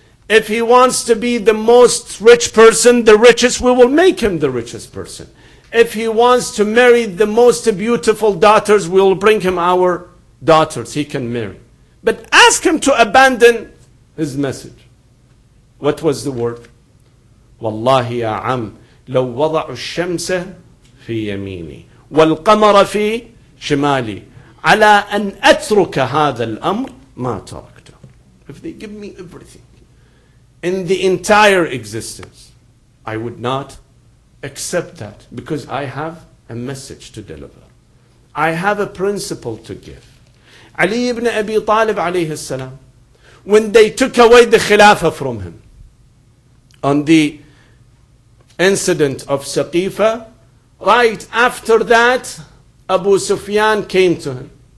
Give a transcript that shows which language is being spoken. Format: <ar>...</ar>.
<en>If he wants to be the most rich person, the richest, we will make him the richest person. If he wants to marry the most beautiful daughters, we will bring him our daughters he can marry. But ask him to abandon his message." What was the word?</en> <ar>"Wallahi ya am, لو وضعوا الشمس في يميني والقمر في شمالي على أن أترك هذا الأمر ما تركته."</ar> <en>If they give me everything in the entire existence, I would not accept that, because I have a message to deliver. I have a principle to give. Ali ibn Abi Talib alayhi salam, when they took away the khilafah from him on the incident of Saqifah, right after that, Abu Sufyan came to him.</en>